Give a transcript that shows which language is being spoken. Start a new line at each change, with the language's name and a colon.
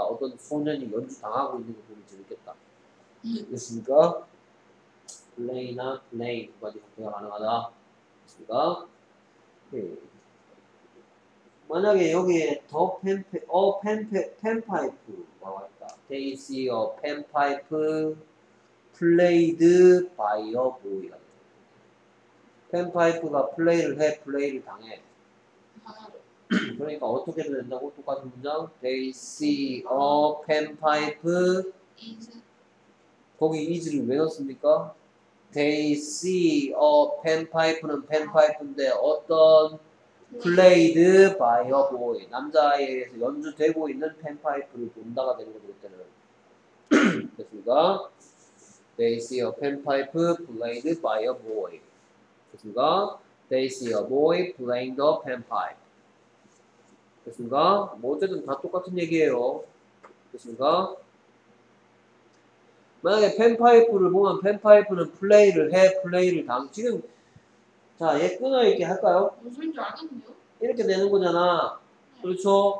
Korean: 어떤 소년이 연주 당하고 있는 거 보면 재밌겠다. 됐습니까? play나 play 두 가지 형태가 가능하다. 됐습니까? 만약에 여기에 더 팬파이프 나왔다.
English: They see a pan pipe played by a boy.
Korean: 팬파이프가 플레이를 해, 플레이를 당해. 그러니까 어떻게 된다고? 똑같은 문장.
English: They see a pan pipe.
Korean: 거기 is를 왜 넣었습니까?
English: They see a pan pipe는 pan pipe인데 어떤 played by a boy.
Korean: 남자에 의해서 연주되고 있는 pan pipe를 본다가 되는 거죠, 그때는. 됐습니까?
English: They see a pan pipe played by a boy.
Korean: 됐습니까?
English: They see a boy playing the pan pipe.
Korean: 됐습니까? 뭐 어쨌든 다 똑같은 얘기예요. 됐습니까? 만약에 팬파이프를 보면 팬파이프는 플레이를 해, 플레이를 당. 지금 자, 얘 끊어 이렇게 할까요? 무슨 줄 아겠네요? 이렇게 되는 거잖아. 그렇죠?